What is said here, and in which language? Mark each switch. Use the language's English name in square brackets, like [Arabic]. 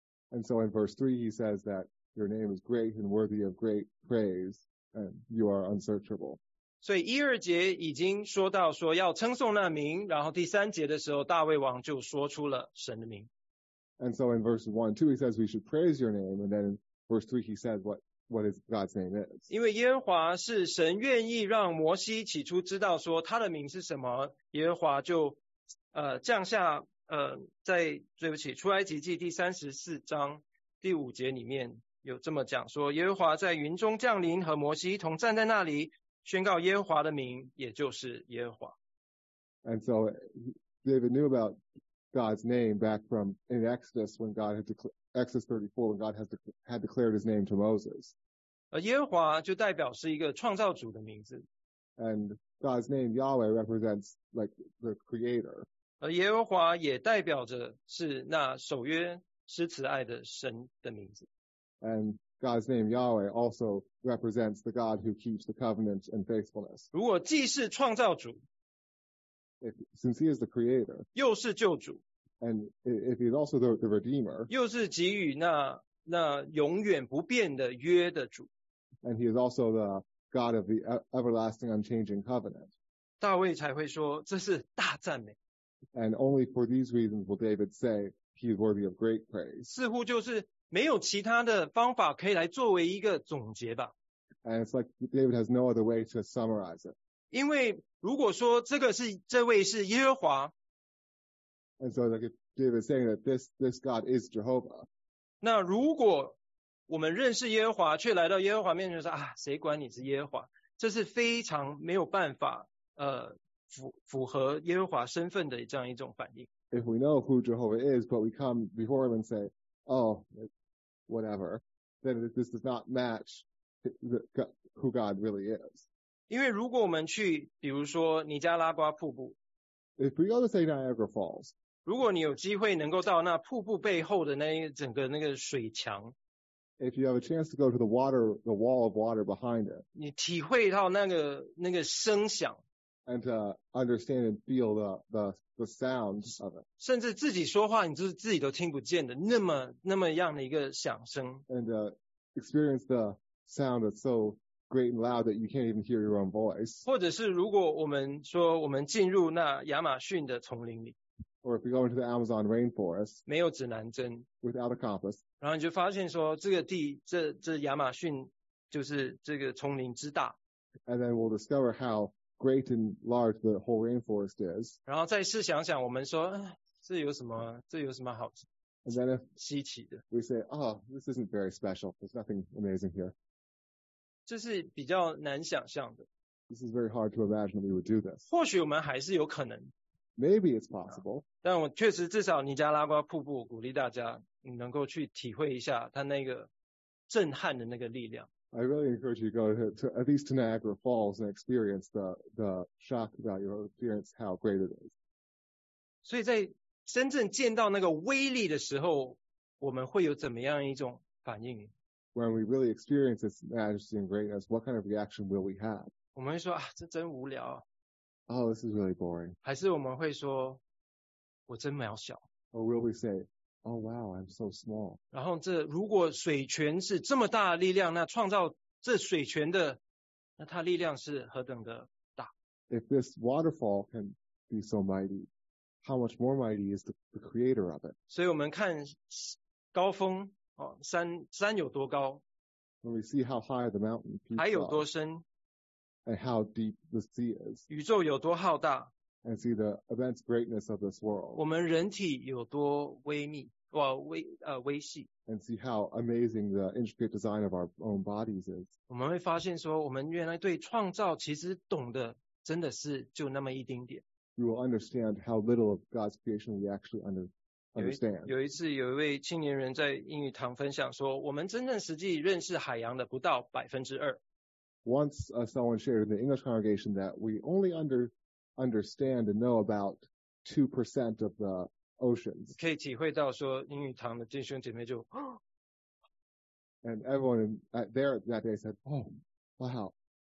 [English] And so in verse 3 he says that your name is great and worthy of great praise, and you are unsearchable. [Chinese] 所以一二节已经说到说要称颂那名，然后第三节的时候，大卫王就说出了神的名。 [English] And so in verses 1 and 2 he says we should praise your name, and then in verse 3 he says what is God's name is. [Chinese] 因为耶和华是神愿意让摩西起初知道说他的名是什么，耶和华就降下在对不起出埃及记第34章第5节里面有这么讲说，耶和华在云中降临，和摩西一同站在那里，宣告耶和华的名，也就是耶和华。 [English] And so David knew about God's name back from in Exodus when God had declared Exodus 34, when God had declared his name to Moses. [Chinese] 而耶和华就代表是一个创造主的名字。 [English] And God's name Yahweh represents like the creator. [Chinese] 而耶和华也代表着是那守约施慈爱的神的名字。 [English] And God's name Yahweh also represents the God who keeps the covenant and faithfulness. [Chinese] 如果既是创造主， [English] since he is the creator, [Chinese] 又是救主。 [English] And if he's also the Redeemer, [Chinese] 又是给予那永远不变的约的主。 [English] And he is also the God of the everlasting unchanging covenant. [Chinese] 大卫才会说这是大赞美。 [English] And only for these reasons will David say he is worthy of great praise. [Chinese] 似乎就是没有其他的方法可以来作为一个总结吧。 [English] And it's like David has no other way to summarize it. [Chinese] 因为如果说这位是耶和华。 [English] And so like David saying that this God is Jehovah. [Chinese] 那如果我们认识耶和华，却来到耶和华面前说啊，谁管你是耶和华？这是非常没有办法符合耶和华身份的这样一种反应。 [English] If we know who Jehovah is, but we come before him and say, oh, whatever, then this does not match who God really is. [Chinese] 因为如果我们去，比如说尼加拉瓜瀑布。 [English] If we go to say Niagara Falls, [Chinese] 如果你有机会能够到那瀑布背后的那整个那个水墙， [English] if you have a chance to go to the water, the wall of water behind it, [Chinese] 你体会到那个声响 [English] and to understand and feel the sounds of it. [Chinese] 甚至自己说话你就是自己都听不见的那么样的一个响声 [English] and experience the sound that's so great and loud that you can't even hear your own voice. [Chinese] 或者是如果我们说我们进入那亚马逊的丛林里 [English] Or if you go into the Amazon rainforest, [Chinese] 没有指南针 [English] without a compass, [Chinese] 然后你就发现说这个地这亚马逊就是这个丛林之大 [English] and then we'll discover how great and large the whole rainforest is. [Chinese] 然后再试想想，我们说这有什么好稀奇的 [English] ？We say, oh, this isn't very special. There's nothing amazing here. [Chinese] 这是比较难想象的。 [English] This is very hard to imagine that we would do this. [Chinese] 或许我们还是有可能。 [English] Maybe it's possible. [Chinese] 但我确实至少尼加拉瓜瀑布鼓励大家你能够去体会一下它那个震撼的那个力量。 [English] I really encourage you to go to at least to Niagara Falls and experience the shock about your experience how great it is. [Chinese] 所以在真正见到那个威力的时候我们会有怎么样一种反应 [English] When we really experience its majesty and greatness, what kind of reaction will we have? [Chinese] 我们会说啊这真无聊。 [English] Oh, this is really boring. [Chinese] 还是我们会说，我真渺小。 [English] Or will we say, oh wow, I'm so small. [Chinese] 然后这如果水泉是这么大的力量，那创造这水泉的，那它力量是何等的大。 [English] If this waterfall can be so mighty, how much more mighty is the creator of it? [Chinese] 所以我们看高峰，哦，山有多高。 [English] When we see how high the mountain peaks are. [Chinese] 海有多深。 [English] And how deep the sea is. [Chinese] 宇宙有多浩大。 [English] And see the immense greatness of this world. [Chinese] 我们人体有多微密，哇，微细。 [English] And see how amazing the intricate design of our own bodies is. [Chinese] 我们会发现说，我们原来对创造其实懂得真的是就那么一丁点。 [English] We will understand how little of God's creation we actually understand. [Chinese] 有一次有一位青年人在英语堂分享说，我们真正实际认识海洋的不到2%。 [English] Once someone shared in the English congregation that we only understand and know about 2% of the oceans. [Chinese] 可以体会到说英语堂的弟兄姐妹就 [English] And everyone there that day said, oh, wow.